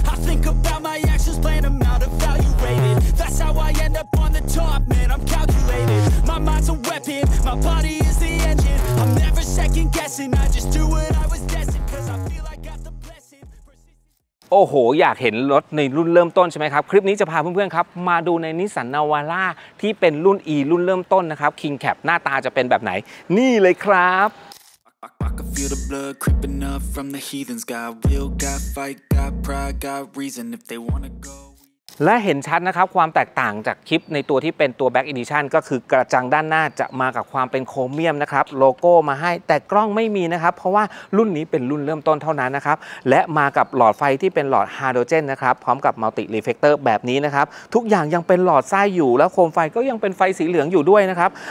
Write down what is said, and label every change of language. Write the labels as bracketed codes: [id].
[en] I think about my actions, plan them out, evaluated. That's how I end up on the top, man. I'm calculated. My mind's a weapon, my body is the engine. I'm never second guessing. I just do what I was destined. Cause I feel I got the blessing. [th] โอ้โหอยากเห็นรถในรุ่นเริ่มต้นใช่ไหมครับคลิปนี้จะพาเพื่อนๆครับมาดูในนิสสันนาวาร่าที่เป็นรุ่น E รุ่นเริ่มต้นนะครับ King Cap หน้าตาจะเป็นแบบไหนนี่เลยครับ [en] Feel the blood creeping up from the heathens. Got will, got fight, got pride, got reason. If they wanna go. [th] และเห็นชัดนะครับความแตกต่างจากคลิปในตัวที่เป็นตัว Back Edition ก็คือกระจังด้านหน้าจะมากับความเป็นโครเมียมนะครับโลโก้มาให้แต่กล้องไม่มีนะครับเพราะว่ารุ่นนี้เป็นรุ่นเริ่มต้นเท่านั้นนะครับและมากับหลอดไฟที่เป็นหลอดฮาโดรเจนนะครับพร้อมกับมัลติรีเฟคเตอร์แบบนี้นะครับทุกอย่างยังเป็นหลอดไส้อยู่แล้วโคมไฟก็ยังเป็นไฟสีเหลืองอยู่ด้วยนะครับ